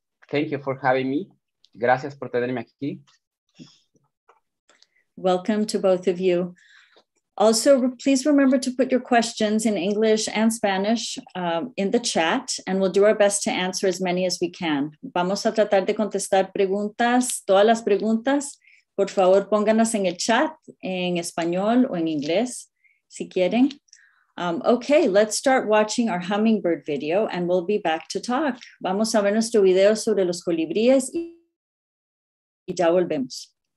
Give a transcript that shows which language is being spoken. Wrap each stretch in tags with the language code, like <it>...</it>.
<en>Thank you for having me.</en> <es>Gracias por tenerme aquí.</es> <en>Welcome to both of you. Also, please remember to put your questions in English and Spanish in the chat, and we'll do our best to answer as many as we can.</en> <es>Vamos a tratar de contestar preguntas, todas las preguntas. Por favor, pónganlas en el chat, en español o en inglés, si quieren.</es> <en>Okay, let's start watching our hummingbird video, and we'll be back to talk.</en> <es>Vamos a ver nuestro video sobre los colibríes y ya volvemos.</es>